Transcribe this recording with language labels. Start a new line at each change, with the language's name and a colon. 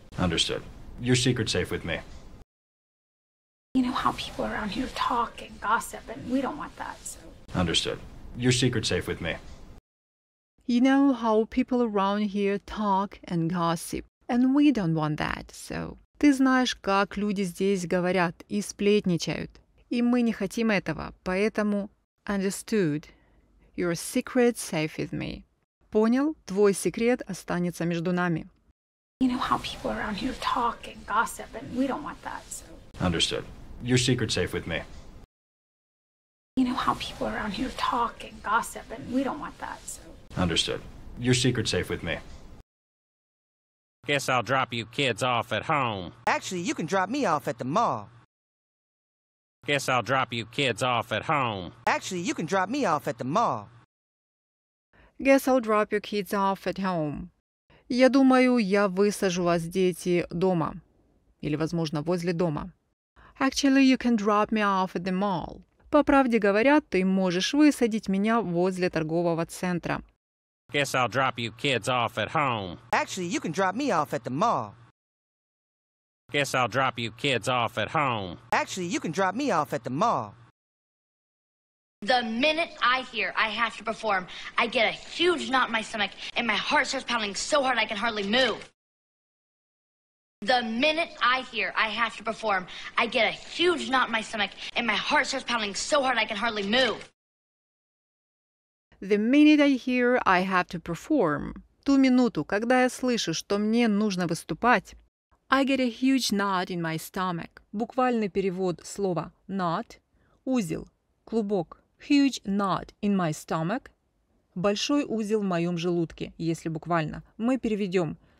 English: Understood. Your secret's safe with me. You know how people around here talk and gossip, and we don't want that, so... Understood. Your secret's safe with me. You know how people around here talk and gossip, and we don't want that, so...
Russian: Ты знаешь, как люди здесь говорят и сплетничают, и мы не хотим этого, поэтому...
English: Understood. Your secret's safe with me.
Russian: Понял, твой секрет останется между нами.
English: You know how people around here talk and gossip, and we don't want that, so... Understood. Your secret's safe with me. You know how people around here talk and gossip, and we don't want that, so... Understood. Your secret's safe with me. Guess I'll drop you kids off at home. Actually, you can drop me off at the mall. Guess I'll drop you kids off at home. Actually, you can drop me off at the mall. Guess I'll drop your kids off at home.
Russian: Я думаю, я высажу вас, дети, дома. Или, возможно, возле дома.
English: Actually, you can drop me off at the mall.
Russian: По правде говоря, ты можешь высадить меня возле торгового центра.
English: Guess I'll drop you kids off at home. Actually, you can drop me off at the mall. Guess I'll drop you kids off at home. Actually, you can drop me off at the mall. The minute I hear I have to perform, I get a huge knot in my stomach and my heart starts pounding so hard I can hardly move. The minute I hear I have to perform, I get a huge knot in my stomach and my heart starts pounding so hard I can hardly move. The minute I hear I have to perform,
Russian: ту минуту, когда я слышу, что мне нужно выступать,
English: I get a huge knot in my stomach.
Russian: Буквальный перевод слова knot – узел, клубок.
English: Huge knot in my stomach.
Russian: Большой узел в моем желудке, если буквально. Мы переведем.